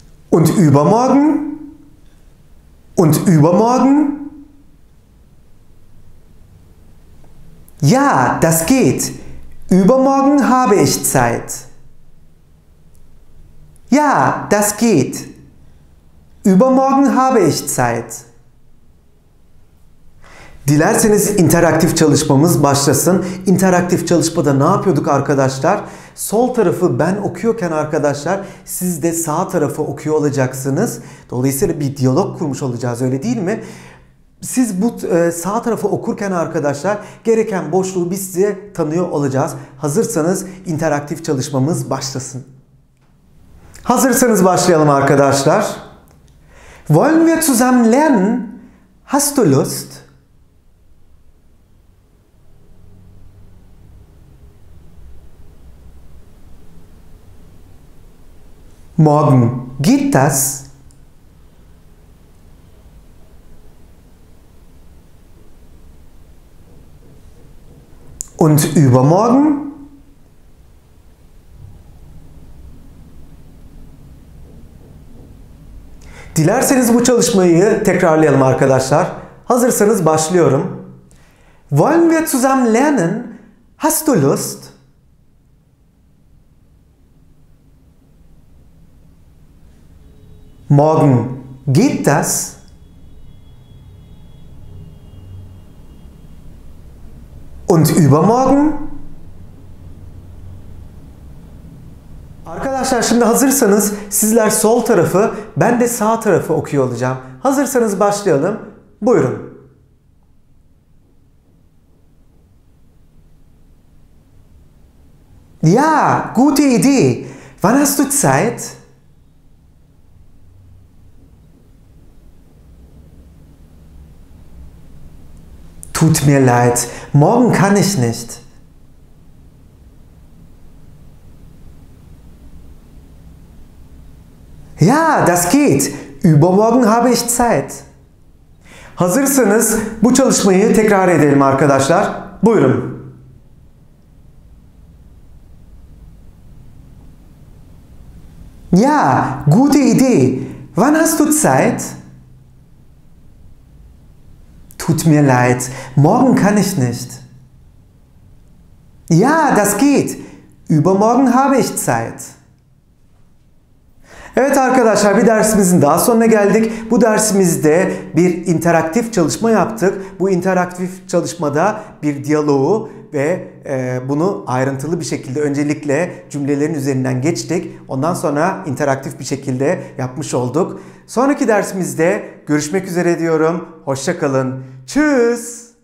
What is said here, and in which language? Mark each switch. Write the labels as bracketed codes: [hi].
[de] Und übermorgen? Und übermorgen? Ja, das geht. Übermorgen habe ich Zeit. Ja, das geht. Übermorgen habe ich Zeit. [tr] Dilerseniz interaktif çalışmamız başlasın. İnteraktif çalışmada ne yapıyorduk arkadaşlar? Sol tarafı ben okuyorken arkadaşlar siz de sağ tarafı okuyor olacaksınız. Dolayısıyla bir diyalog kurmuş olacağız, öyle değil mi? Siz bu sağ tarafı okurken arkadaşlar gereken boşluğu biz size tanıyor olacağız. Hazırsanız interaktif çalışmamız başlasın. Hazırsanız başlayalım arkadaşlar. [de] Wollen wir zusammen lernen? Hast du Lust? Morgen geht das? Und übermorgen? [tr] Dilerseniz bu çalışmayı tekrarlayalım arkadaşlar. Hazırsanız başlıyorum. [de] Wollen wir zusammen lernen? Hast du Lust? Morgen geht das? Und übermorgen? [tr] Arkadaşlar şimdi hazırsanız sizler sol tarafı, ben de sağ tarafı okuyor olacağım. Hazırsanız başlayalım. Buyurun. [de] Ja, gute Idee. Wann hast du Zeit? Tut mir leid, morgen kann ich nicht. Ja, das geht. Übermorgen habe ich Zeit. [tr] Hazırsanız bu çalışmayı tekrar edelim arkadaşlar. Buyurun. [de] Ja, gute Idee. Wann hast du Zeit? Tut mir leid, morgen kann ich nicht. Ja, das geht. Übermorgen habe ich Zeit. [tr] Evet arkadaşlar, bir dersimizin daha sonuna geldik. Bu dersimizde bir interaktif çalışma yaptık. Bu interaktif çalışmada bir diyaloğu ve bunu ayrıntılı bir şekilde öncelikle cümlelerin üzerinden geçtik. Ondan sonra interaktif bir şekilde yapmış olduk. Sonraki dersimizde görüşmek üzere diyorum. Hoşça kalın. [de] Tschüss.